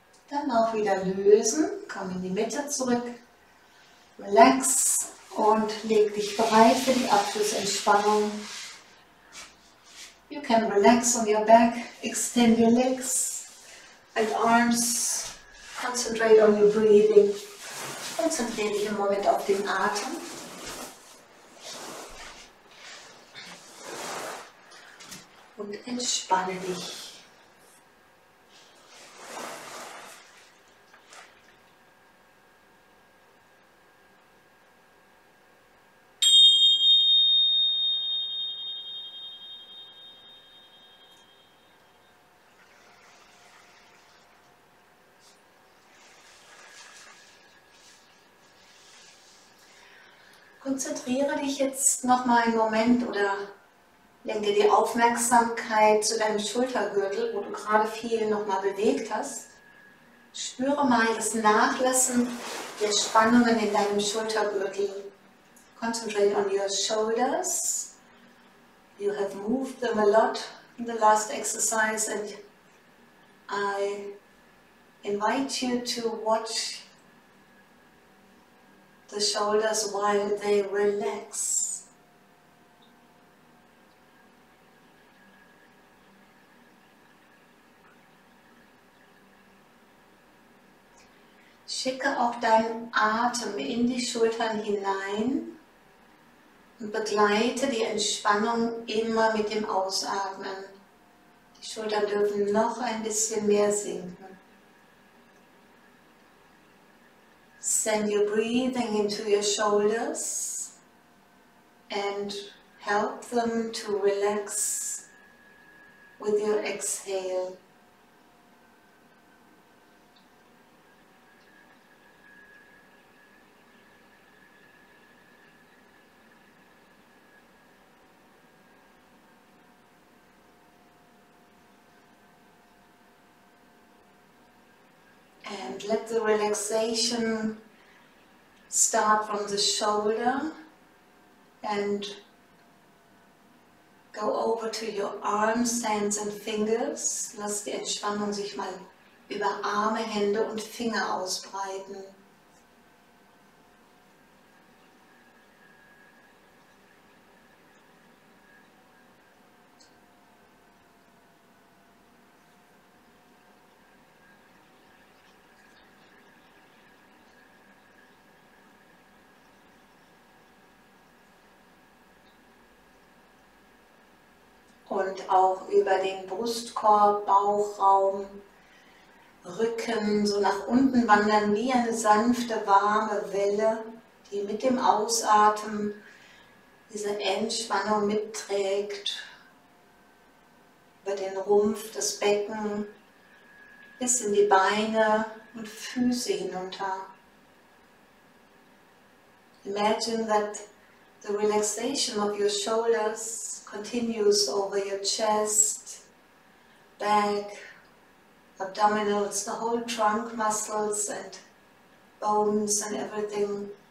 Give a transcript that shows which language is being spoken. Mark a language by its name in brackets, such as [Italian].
[German] Dann auch wieder lösen, komm in die Mitte zurück. Relax und leg dich bereit für die Abschlussentspannung. [English] You can relax on your back, extend your legs. And arms, concentrate on your breathing. [German] Konzentriere dich im Moment auf den Atem. Und entspanne dich. Konzentriere dich jetzt nochmal einen Moment oder lenke die Aufmerksamkeit zu deinem Schultergürtel, wo du gerade viel nochmal bewegt hast. Spüre mal das Nachlassen der Spannungen in deinem Schultergürtel. [English] Concentrate on your shoulders. You have moved them a lot in the last exercise and I invite you to watch the shoulders while they relax. [German] Schicke auch deinen Atem in die Schultern hinein und begleite die Entspannung immer mit dem Ausatmen. Die Schultern dürfen noch ein bisschen mehr sinken. [English] Send your breathing into your shoulders and help them to relax with your exhale. And let the relaxation start from the shoulder and go over to your arms, hands and fingers. [German] Lass die Entspannung sich mal über Arme, Hände und Finger ausbreiten. Und auch über den Brustkorb, Bauchraum, Rücken, so nach unten wandern wie eine sanfte, warme Welle, die mit dem Ausatmen diese Entspannung mitträgt. Über den Rumpf, das Becken, bis in die Beine und Füße hinunter. [English] Imagine that the relaxation of your shoulders continues over your chest, back, abdominals, the whole trunk muscles and bones and everything.